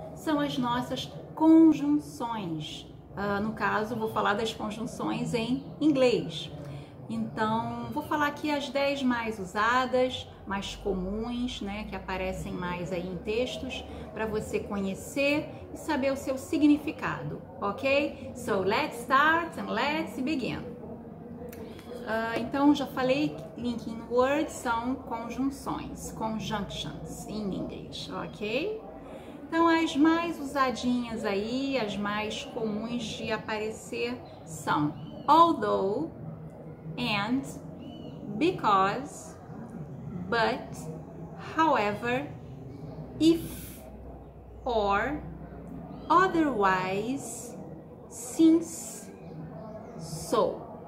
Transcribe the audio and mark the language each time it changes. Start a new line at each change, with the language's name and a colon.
Portuguese: São as nossas conjunções. No caso, vou falar das conjunções em inglês. Então, vou falar aqui as 10 mais usadas, mais comuns, né, que aparecem mais aí em textos, para você conhecer e saber o seu significado, ok?
English: So, let's start and let's begin.
Portuguese: Então, já falei que linking words são conjunções, conjunctions em inglês, ok? Então, as mais usadinhas aí, as mais comuns de aparecer são although, and, because, but, however, if, or, otherwise, since, so.